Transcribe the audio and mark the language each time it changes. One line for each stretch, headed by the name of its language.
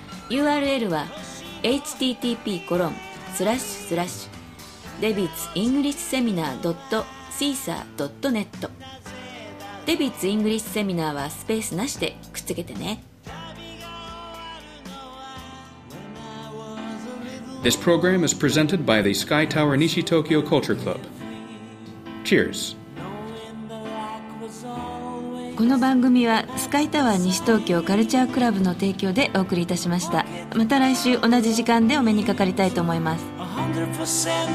Japanese: URL は http://devitsenglishseminar.com/CESAR.net。デビッツイングリッシュセミナーはスペースなしでくっつけてね。
English: This program is presented by the Sky Tower Nishi Tokyo Culture Club. Cheers.
Japanese: この番組はスカイタワー西東京カルチャークラブの提供でお送りいたしました。また来週同じ時間でお目にかかりたいと思います。